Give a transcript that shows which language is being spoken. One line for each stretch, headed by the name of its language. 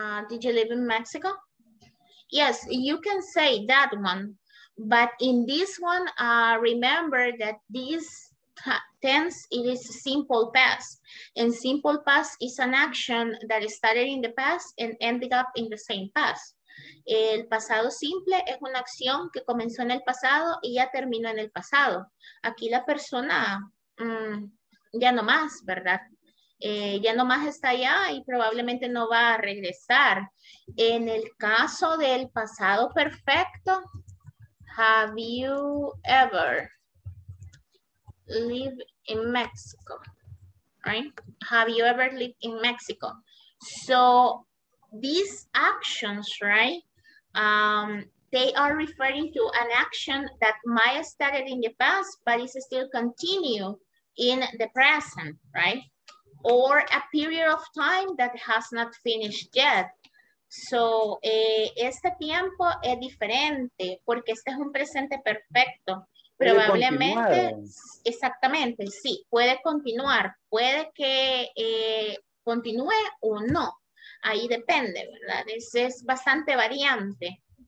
English: Did you live in Mexico? Yes, you can say that one. But in this one, remember that this tense, it is simple past. And simple past is an action that started in the past and ended up in the same past.
Spanish: El pasado simple es una acción que comenzó en el pasado y ya terminó en el pasado. Aquí la persona ya no más, ¿verdad? Ya no más está allá y probablemente no va a regresar. En el caso del pasado perfecto,
English: have you ever lived in Mexico? Right? Have you ever lived in Mexico? So these actions, right? They are referring to an action that might have started in the past, but is still continue in the present, right? Or a period of time that has not finished yet.
Spanish: So, este tiempo es diferente porque este es un presente perfecto. Probablemente, exactamente, sí, puede continuar. Puede que continúe o no. Ahí depende, ¿verdad? Es bastante variante.